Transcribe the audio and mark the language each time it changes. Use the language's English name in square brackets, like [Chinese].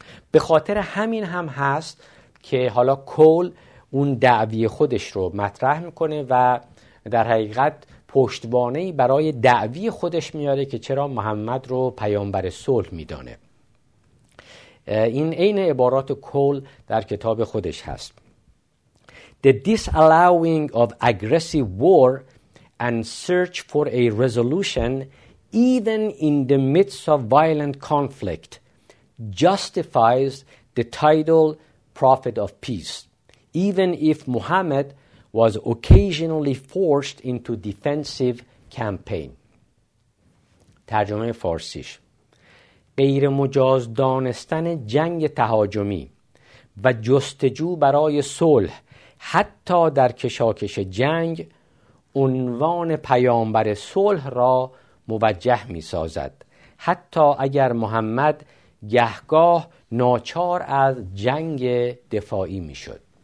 [Persian] به خاطر همین هم هست که حالا کول اون دعوی خودش رو مطرح میکنه و در حقیقت پشتوانه‌ای برای دعوی خودش میاره که چرا محمد رو پیامبر صلح میدانه. این عین عبارات کول در کتاب خودش هست. [English] The disallowing of aggressive war and search for a resolution even in the midst of violent conflict justifies the title Prophet of Peace, even if Muhammad was occasionally forced into defensive campaign. [Persian] ترجمه فارسیش: غیر مجاز دانستن جنگ تهاجمی و جستجو برای صلح حتی در کشاکش جنگ عنوان پیامبر صلح را موجه می سازد، حتی اگر محمد گهگاه ناچار از جنگ دفاعی می شد.